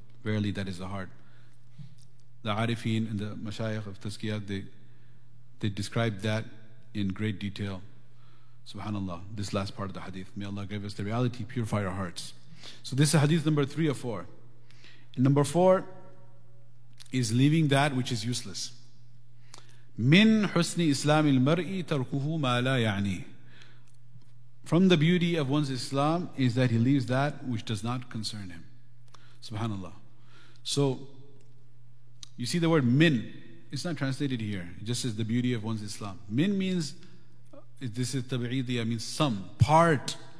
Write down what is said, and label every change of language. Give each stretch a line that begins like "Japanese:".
English: Verily that is the heart. The Arifin and the Mashayikh of Tazkiyah, they describe that in great detail. Subhanallah, this last part of the hadith. May Allah give us the reality, purify our hearts. So this is hadith number 3 or 4. And number 4 is leaving that which is useless.
Arabic: من حسن إسلام المرء تركه ما لا يعني.
English: From the beauty of one's Islam is that he leaves that which does not concern him. Subhanallah. So, you see the word min, it's not translated here. It just says the beauty of one's Islam. Min means, this is tab'idiyah, means some, part.